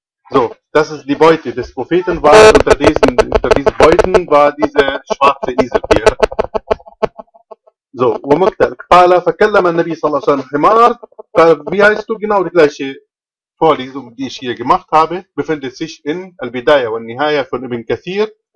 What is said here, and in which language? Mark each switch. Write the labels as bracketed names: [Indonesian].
[German] So, das ist die Beute des Propheten, war unter diesen Beuten war dieser schwarze Esel hier. [Arabic] So, ومكتل. فكلم النبي صلى الله عليه وسلم حمار. [German] Wie heißt du? Genau die gleiche Vorlesung, die ich hier gemacht habe, befindet sich in Al-Bidaya und Nihaya von Ibn Kathir.